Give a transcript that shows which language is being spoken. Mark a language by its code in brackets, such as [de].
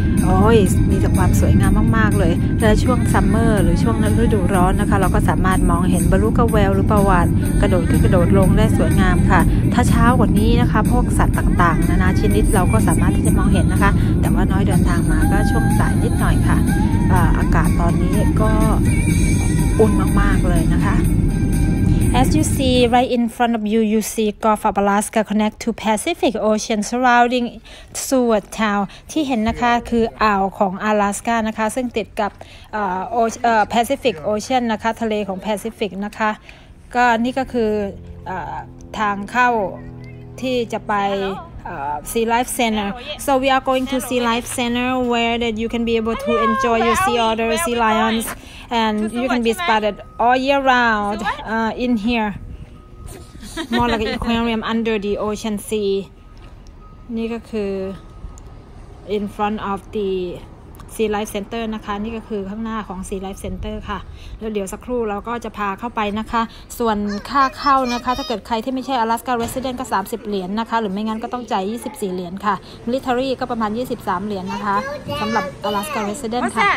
[th] โอ้ยมีแต่ความสวยงามมากๆเลยและช่วงซัมเมอร์หรือช่วงฤดูร้อนนะคะเราก็สามารถมองเห็นบลูกระแววหรือประวานกระโดดขึ้นกระโดดลงได้สวยงามค่ะถ้าเช้ากว่านี้นะคะพวกสัตว์ต่างๆนานาชนิดเราก็สามารถที่จะมองเห็นนะคะแต่ว่าน้อยเดินทางมาก็ช่วงสายนิดหน่อยค่ะอากาศตอนนี้ก็อุ่นมากๆเลยนะคะ [en] As you see right in front of you, you see Gulf of Alaska connect to Pacific Ocean surrounding Seward Town. [th] ที่เห็นนะคะคืออ่าวของ Alaska นะคะซึ่งติดกับPacific Ocean นะคะทะเลของ Pacific นะคะก็นี่ก็คือทางเข้าที่จะไปSea Life Center. [en] So we are going to Sea Life Center where that you can be able to enjoy your sea otters, sea lions, and you can be spotted all year round in here. More like an aquarium under the ocean sea. [th] นี่ก็คือ [en] in front of the Sea Life Center [th] นะคะนี่ก็คือข้างหน้าของ Sea Life Center ค่ะแล้วเดี๋ยวสักครู่เราก็จะพาเข้าไปนะคะส่วนค่าเข้านะคะถ้าเกิดใครที่ไม่ใช่ Alaska Resident ก็30เหรียญนะคะหรือไม่งั้นก็ต้องจ่าย24เหรียญค่ะ Military ก็ประมาณ23เหรียญนะคะสำหรับ Alaska Resident ค่ะ